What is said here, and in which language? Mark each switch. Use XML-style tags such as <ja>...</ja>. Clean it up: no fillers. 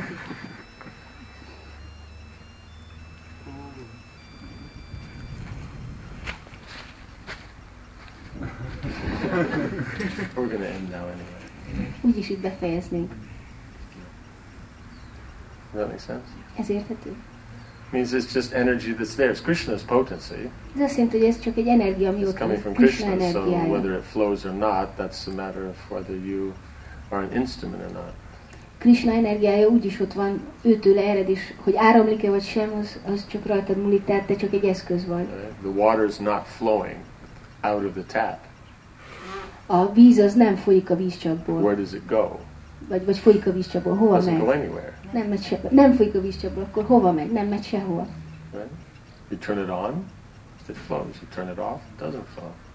<en>We're gonna end now anyway.</en> <hu>Úgy is itt befejeznénk.</hu> <en>Does that make sense?</en> <hu>Ez érthető.</hu> <en>Means it's just energy that's there. It's Krishna's potency.</en> <hu>Ez azt jelenti, hogy ez csak egy energia, ami ott van. Krishna energiája.</hu> <en>So whether it flows or not, that's a matter of whether you are an instrument or not.</en> <hu>Krishna energiája úgy is ott van, őtől ered is, hogy áramlik-e vagy sem, az csak rajtad múlik, tehát te csak egy eszköz vagy.</hu> <en>The water is not flowing out of the tap.</en> <hu>A víz az nem folyik a vízcsapból.</hu> <en>Where does it go?</en> <hu>Vagy folyik a vízcsapból, hova</hu> <en>doesn't</en> <hu>megy?</hu> <en>Doesn't go anywhere.</en> <hu>Nem megy sehova. Nem folyik a vízcsapból, akkor hova megy? Nem megy sehova.</hu> <en>Right? You turn it on, it flows. You turn it off, it doesn't flow.</en>